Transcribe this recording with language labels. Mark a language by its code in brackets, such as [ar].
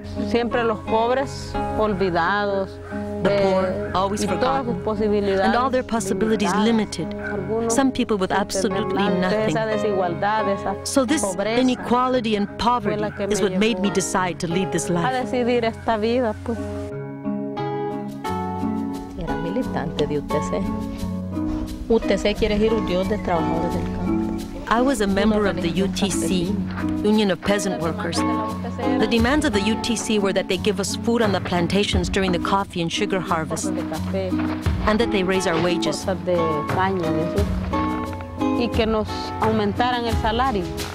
[es] Siempre los pobres olvidados. [en] The poor, always forgotten. And all their possibilities limited. Some people with absolutely nothing. So this inequality and poverty is what made me decide to lead this life. [es] Era militante de UTC. UTC quiere decir Unión de Trabajadores del Campo. [en] I was a member of the UTC, Union of Peasant Workers. The demands of the UTC were that they give us food on the plantations during the coffee and sugar harvest, and that they raise our wages. [es] Y que nos aumentaran el salario.